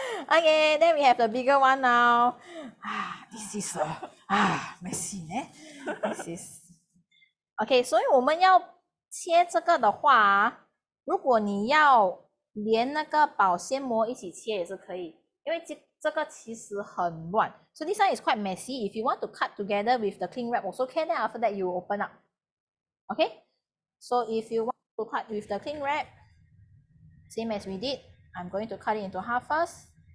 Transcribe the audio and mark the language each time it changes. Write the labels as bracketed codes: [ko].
[en] Okay, then we have the bigger one now. This is a machine. This is. [zh] OK, 所以我们要切这个的话，如果你要连那个保鲜膜一起切也是可以，因为这个其实很乱。 [en] So this one is quite messy. If you want to cut together with the cling wrap, also can. Then after that, you open up. OK, so if you want to cut with the cling wrap, same as we did, I'm going to cut it into half first.